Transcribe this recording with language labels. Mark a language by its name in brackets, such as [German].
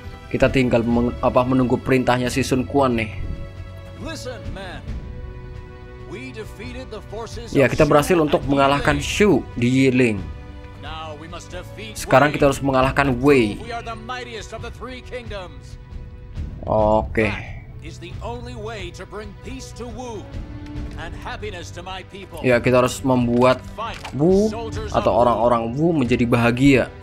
[Indonesian] Kita tinggal menunggu perintahnya si Sun Quan nih. [English] Listen, man. We defeated the forces. [Indonesian] Ya, kita berhasil untuk mengalahkan Shu di Yiling. Sekarang kita harus mengalahkan Wei. [English] We are the mightiest of the three kingdoms. Oke. Is the only way to bring peace to Wu and happiness to my people. [Indonesian] Ya, kita harus membuat Wu atau orang-orang Wu menjadi bahagia.